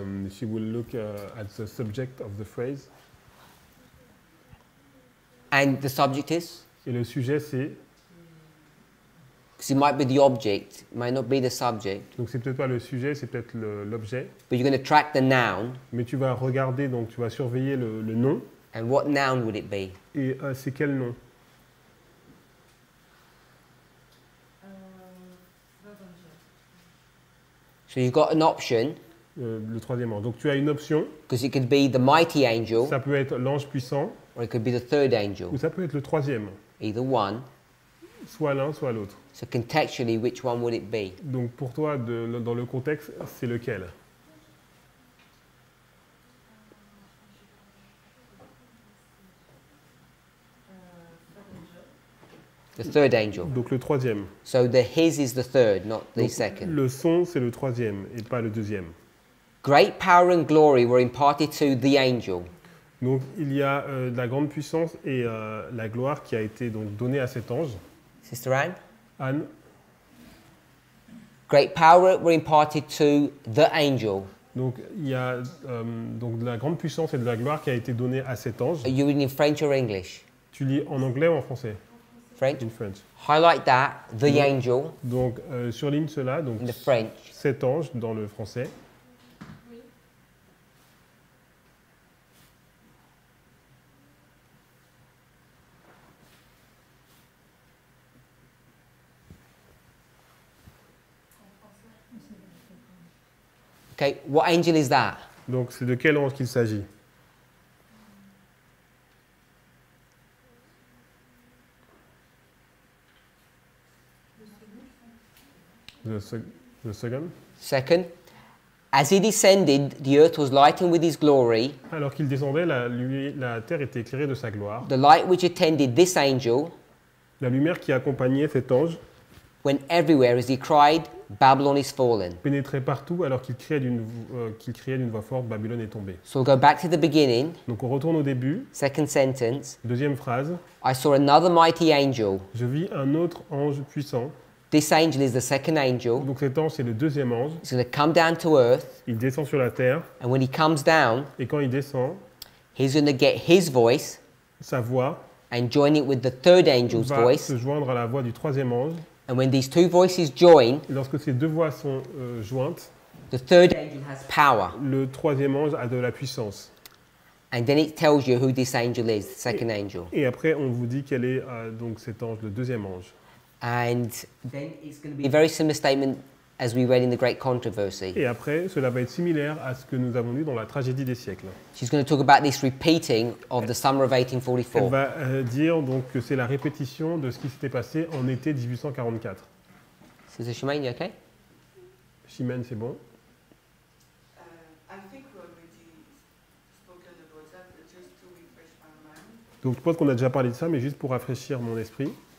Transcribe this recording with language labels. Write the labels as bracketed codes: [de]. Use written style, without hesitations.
[en] She will look at the subject of the phrase. And the subject is? [fr] Et le sujet, c'est? [en] Because it might be the object, it might not be the subject. [fr] Donc, c'est peut-être pas le sujet, c'est peut-être l'objet. [en] But you're going to track the noun. [fr] Mais tu vas regarder, donc tu vas surveiller le nom. [en] And what noun would it be? [fr] Et c'est quel nom? [en] So you've got an option. [fr] Le troisième ange. Donc, tu as une option. [en] Because it could be the mighty angel. [fr] Ça peut être l'ange puissant. [en] Or it could be the third angel. [fr] Ou ça peut être le troisième. [en] Either one. [fr] Soit l'un, soit l'autre. [en] So contextually, which one would it be? [fr] Donc pour toi, dans le contexte, c'est lequel? [en] The third angel. [fr] Donc le troisième. [en] So the his is the third, not the [fr] donc, [en] second. [fr] Le son, c'est le troisième et pas le deuxième. [en] Great power and glory were imparted to the angel. [fr] Donc, il y a de la grande puissance et la gloire qui a été donc donnée à cet ange. [en] Sister Anne. [fr] Anne. [en] Great power were imparted to the angel. [fr] Donc, il y a donc de la grande puissance et de la gloire qui a été donnée à cet ange. [en] Are you reading in French or English? [fr] Tu lis en anglais ou en français? [en] French. In French. Highlight that, the donc, angel. [fr] Donc, surligne cela, donc [en] in the French. [fr] Cet ange dans le français. [en] Okay, what angel is that? [fr] Donc, c'est de quel ange qu'il s'agit? Le second. [en] The second. Second. As he descended, the earth was lightened with his glory. [fr] Alors qu'il descendait, la terre était éclairée de sa gloire. [en] The light which attended this angel. [fr] La lumière qui accompagnait cet ange. [en] Went everywhere as he cried, Babylon is fallen. [fr] Pénétrait partout alors qu'il criait d'une voix forte, Babylone est tombée. [en] So we'll go back to the beginning. [fr] Donc on retourne au début. [en] Second sentence. [fr] Deuxième phrase. [en] I saw another mighty angel. [fr] Je vis un autre ange puissant. [en] This angel is the second angel. [fr] Donc cet ange est le deuxième ange. [en] He's going to come down to earth. [fr] Il descend sur la terre. [en] And when he comes down. [fr] Et quand il descend. [en] He's going to get his voice. [fr] Sa voix. [en] And join it with the third angel's voice. [fr] Il va se joindre à la voix du troisième ange. [en] And when these two voices join. [fr] Lorsque ces deux voix sont jointes. [en] The third angel has power. [fr] Le troisième ange a de la puissance. [en] And then it tells you who this angel is, the second angel. [fr] Et après on vous dit quel est donc cet ange, le deuxième ange. [en] And then it's going to be a very similar statement as we read in the Great Controversy. [fr] Et après, cela va être similaire à ce que nous avons lu dans la Tragédie des siècles. [en] She's going to talk about this repeating of the summer of 1844. [fr] Elle va dire donc que c'est la répétition de ce qui s'était passé en été 1844. [en] Shimane, you okay? [fr] Shimane, c'est bon. Donc je pense qu'on a déjà parlé de ça, mais juste pour rafraîchir mon esprit.